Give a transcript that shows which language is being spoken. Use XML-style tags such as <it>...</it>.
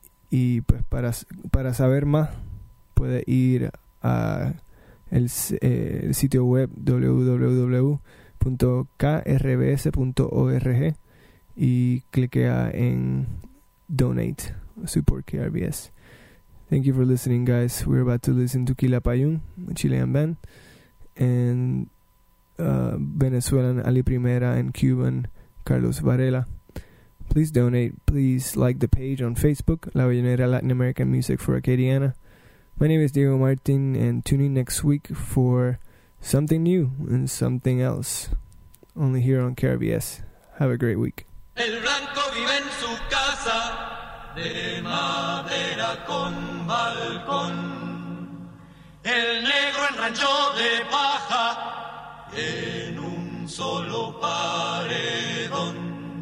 <es>Y pues para saber más, puede ir a el sitio web www.krbs.org y cliquea en Donate, Support KRBS.</es> <en>Thank you for listening, guys. We're about to listen to Quilapayún, a Chilean band, and Venezuelan Ali Primera and Cuban Carlos Varela. Please donate. Please like the page on Facebook, La Bayonera Latin American Music for Acadiana. My name is Diego Martin, and tune in next week for something new and something else, only here on KRBS. Have a great week.</en> <es>El blanco vive en su casa de madera con balcón. El negro en rancho de paja en un solo paredón.</es>